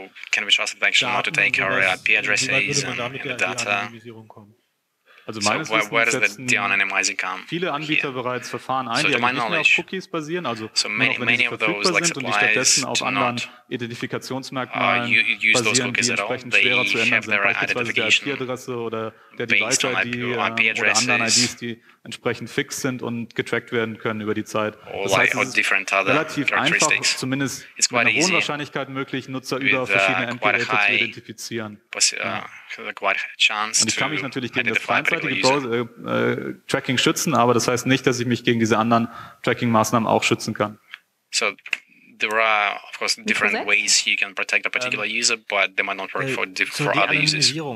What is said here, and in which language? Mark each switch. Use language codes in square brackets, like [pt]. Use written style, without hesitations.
[en] can we trust the bank not to take our IP addresses and the data? [de] Also meines Wissens setzen viele Anbieter bereits Verfahren ein, die nicht mehr auf Cookies basieren, also nur wenn sie verfügbar sind und die stattdessen auf anderen Identifikationsmerkmalen basieren, die entsprechend schwerer zu ändern sind, beispielsweise der IP-Adresse oder der Device-ID oder anderen IDs, die entsprechend fix sind und getrackt werden können über die Zeit. Das heißt, es ist relativ einfach, zumindest mit einer hohen Wahrscheinlichkeit möglich, Nutzer über verschiedene Endgeräte zu identifizieren. Und ich kann mich natürlich gegen das feindselige Tracking schützen, aber das heißt nicht, dass ich mich gegen diese anderen Tracking-Maßnahmen auch schützen kann. [en] So, there are, of course, different ways you can protect a particular user, but they might not work for for other users.